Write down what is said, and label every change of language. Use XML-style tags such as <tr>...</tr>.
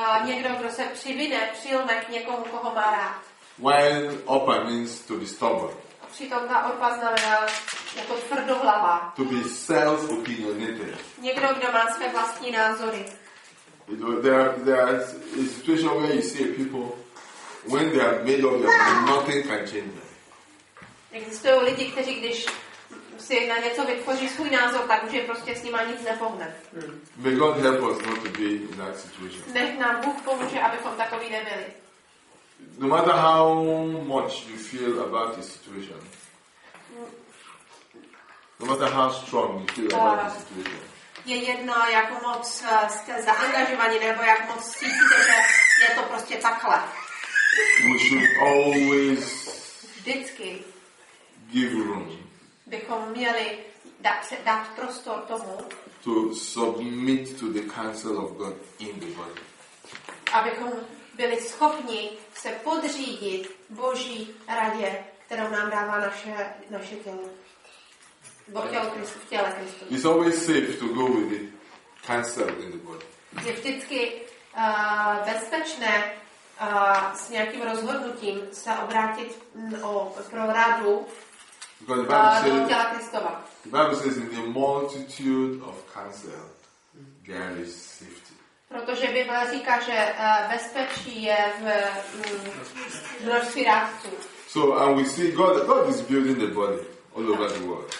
<cs>Někdo, kdo se přivine, přilne k někomu, koho má rád.</cs> <en>While Orpa means to be stubborn.</en> <cs>A přitom ta Orpa znamená jako tvrdohlava.</cs> <en>To be self-opinionated.</en> <cs>Někdo, kdo má své vlastní názory.</cs> <en>There's a situation where you see people when they are made of their mind, nothing can change them.</en> <cs>Existují lidi, kteří když si na něco vytvoří svůj názor, tak už je prostě s nima nic nepohne.</cs> <en>May God help us not to be in that situation.</en> <cs>Nech nám Bůh pomůže, abychom takový nebyli.</cs> <en>No matter how much you feel about the situation, no matter how strong you feel about the situation,</en> <cs>je jedno, jak moc jste zaangažovaní, nebo jak moc cítíte, že je to prostě takhle.</cs> <en>We should always</en> <cs>vždycky</cs> <en>give room.</en> <cs>Bychom měli dát prostor tomu,</cs> <en>to submit to the counsel of God in the body.</en> <cs>Abychom byli schopni se podřídit Boží radě, kterou nám dává naše tělo. Bo tělo Kristu, v těle Kristu.</cs> <en>It's always safe to go with it. Cancelled in the body.</en> <cs>Je vždycky bezpečné s nějakým rozhodnutím se obrátit pro radu do těla Kristova.</cs> <en>The Bible says in the multitude of cancelled there is safety.</en> <cs>Protože Bible říká, že bezpečí je v množství rádců.</cs> <en>So and we see God is building the body all over the world.</en>